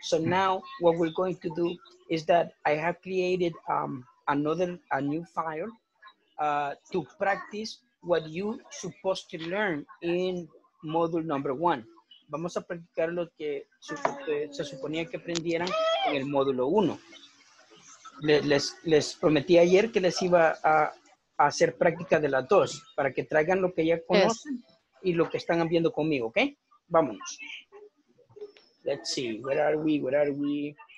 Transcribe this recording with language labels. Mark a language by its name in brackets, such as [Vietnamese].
[English] So now what we're going to do is that I have created another, a new file to practice what you supposed to learn in module number one. [Spanish] Vamos a practicar lo que se suponía que aprendieran en el módulo uno. Les prometí ayer que les iba a hacer práctica de las dos para que traigan lo que ya conocen yes. y lo que están viendo conmigo, ¿ok? Vámonos. [English] Let's see, where are we, where are we?